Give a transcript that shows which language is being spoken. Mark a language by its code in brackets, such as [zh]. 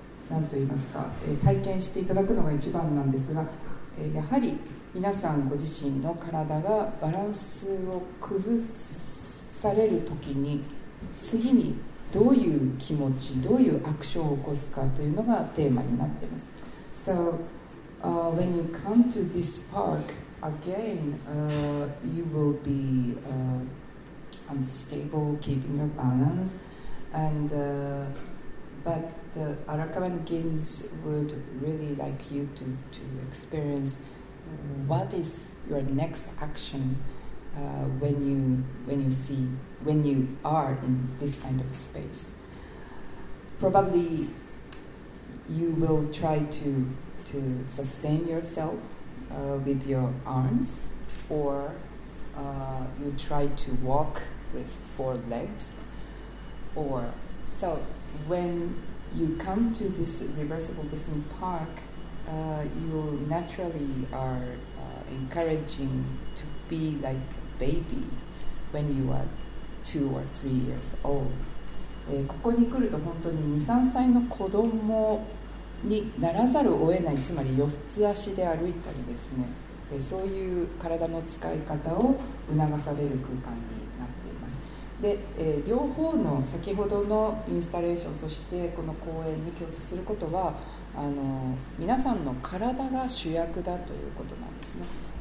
[ja] 何と言いますか、体験していただくのが一番なんですが、やはり皆さんご自身の体がバランスを崩されるときに次にどういう気持ち、どういうアクションを起こすかというのがテーマになっています。 [en] So when you come to this park again, you will be unstable keeping your balance, and but the Arakawa Games would really like you to experience what is your next action when you are in this kind of space. Probably you will try to sustain yourself with your arms, or you try to walk with four legs, or so when you come to this reversible Disney park, you naturally are encouraging to be like a baby when you are 2 or 3 years old. [ja] ここに来ると本当に 2、3 歳の子供にならざるを得ない、つまり四つ足で歩いたりですね、そういう体の使い方を促される空間になっています。で、両方の先ほどのインスタレーションそしてこの公演に共通することは、皆さんの体が主役だということなんですね。